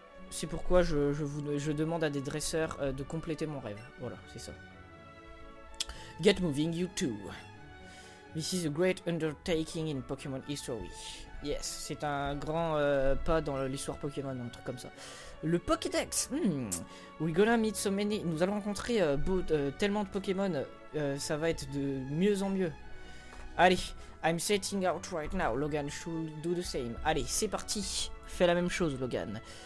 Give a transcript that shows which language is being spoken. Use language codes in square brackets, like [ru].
[fr] C'est pourquoi je demande à des dresseurs de compléter mon rêve. Voilà, c'est ça. [en] Get moving, you two. This is a great undertaking in Pokémon history. [fr] Yes, c'est un grand pas dans l'histoire Pokémon, un truc comme ça. Le Pokédex. [en] We gonna meet so many. [fr] Nous allons rencontrer tellement de Pokémon. Ça va être de mieux en mieux. Allez, [en] I'm setting out right now. Logan should do the same. [fr] Allez, c'est parti. Fais la même chose, Logan.